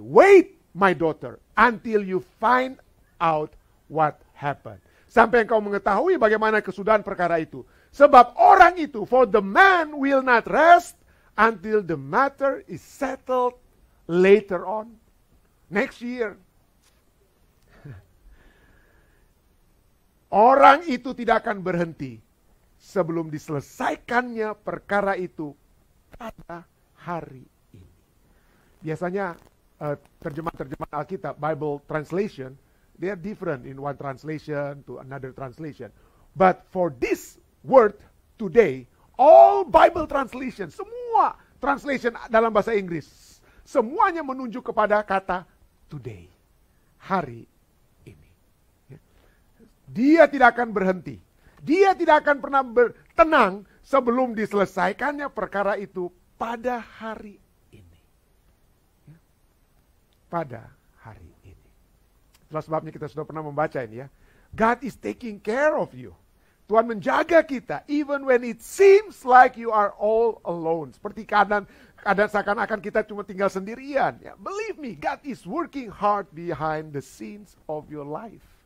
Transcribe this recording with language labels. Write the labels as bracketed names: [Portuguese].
[English] Wait, my daughter, until you find out what happened. [Indonesian] Sampai engkau mengetahui bagaimana kesudahan perkara itu. Sebab orang itu, [English] for the man will not rest until the matter is settled later on. Next year. [Indonesian] Orang itu tidak akan berhenti sebelum diselesaikannya perkara itu pada hari ini. Biasanya terjemahan-terjemahan Alkitab, [English] Bible translation, they are different in one translation to another translation. But for this word today, all Bible translation, [Indonesian] semua translation dalam bahasa Inggris, semuanya menunjuk kepada kata [English] today, [Indonesian] hari ini. Dia tidak akan berhenti. Dia tidak akan pernah tenang sebelum diselesaikannya perkara itu pada hari ini. Pada hari ini. Itulah sebabnya kita sudah pernah membaca ini, ya. [English] God is taking care of you. [Indonesian] Tuhan menjaga kita [English] even when it seems like you are all alone. [Indonesian] Seperti keadaan seakan-akan kita cuma tinggal sendirian. Ya. [English] Believe me, God is working hard behind the scenes of your life.